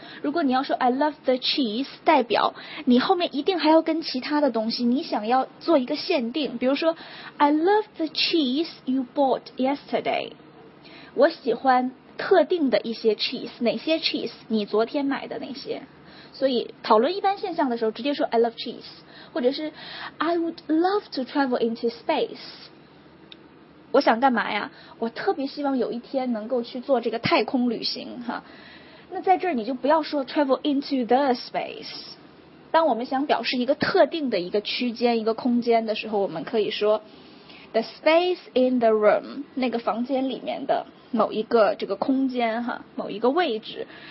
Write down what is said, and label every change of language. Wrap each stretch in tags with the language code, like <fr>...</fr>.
<zh>如果你要说</zh> <en>I love the cheese，</en> <zh>代表你后面一定还要跟其他的东西，你想要做一个限定，比如说</zh> <en>I love the cheese you bought yesterday，</en> <zh>我喜欢特定的一些 cheese， 哪些 cheese？你昨天买的那些。所以讨论一般现象的时候直接说</zh> <en>I love cheese，</en> <zh>或者是</zh> <en>I would love to travel into space。</en> <zh>我想干嘛呀？我特别希望有一天能够去做这个太空旅行哈。那在这儿你就不要说</zh> <en>travel into the space。</en> <zh>当我们想表示一个特定的一个区间一个空间的时候，我们可以说</zh> <en>the space in the room，</en> <zh>那个房间里面的某一个这个空间哈，某一个位置。</zh>